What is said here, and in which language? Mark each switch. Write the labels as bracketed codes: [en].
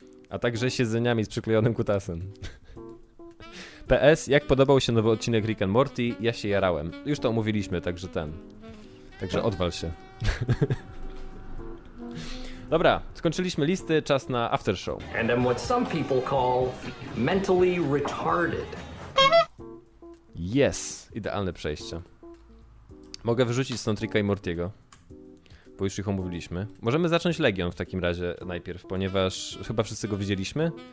[pl] A także siedzeniami z przyklejonym kutasem. PS, jak podobał się nowy odcinek Rick and Morty? Ja się jarałem. Już to omówiliśmy, także ten. Także odwal się. Dobra, skończyliśmy listy, czas na after show. [en] And I'm what some people call mentally retarded. Yes, [pl] idealne przejście. Mogę wyrzucić stąd Ricka i Mortiego, bo już ich omówiliśmy. Możemy zacząć Legion w takim razie najpierw, ponieważ chyba wszyscy go widzieliśmy.